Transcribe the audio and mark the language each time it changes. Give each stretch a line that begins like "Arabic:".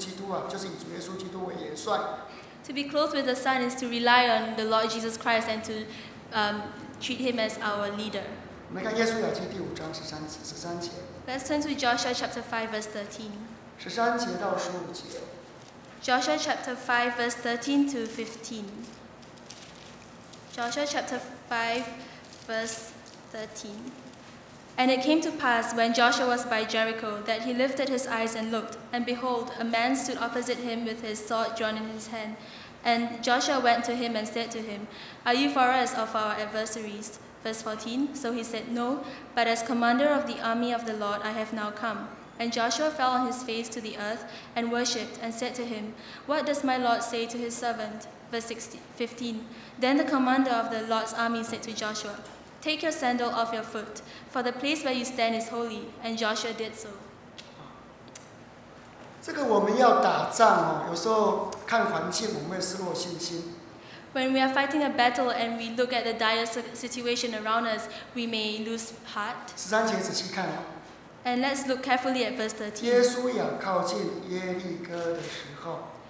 Chinese: 我们再来看他们披戴耶稣基督啊，就是这个身披太阳，就是依靠主耶稣基督啊，就是以主耶稣基督为元帅。
English: To be clothed with the Son is to rely on the Lord Jesus Christ and to treat Him as our leader.
Chinese: 我们看耶稣雅集第五章十三节。
English: Let's turn to Joshua chapter 5 verse 13.
Chinese: 十三节到十五节。
English: Joshua chapter 5 verse 13 to 15. Joshua chapter 5 verse 13. And it came to pass, when Joshua was by Jericho, that he lifted his eyes and looked, and behold, a man stood opposite him with his sword drawn in his hand. And Joshua went to him and said to him, "Are you for us or for our adversaries?" Verse 14, so he said, "No, but as commander of the army of the Lord I have now come." And Joshua fell on his face to the earth and worshipped and said to him, "What does my Lord say to his servant?" Verse 16, 15, then the commander of the Lord's army said to Joshua, "Take your sandal off your foot, for the place where you stand is holy." And Joshua did so.
Chinese: 这个我们要打仗哦，有时候看环境，我们会失落信心。
English: When we are fighting a battle and we look at the dire situation around us, we may lose heart.
Chinese: 十三节仔细看哦。
English: And let's look carefully at verse 13.
Chinese: 耶稣要靠近耶利哥的时候，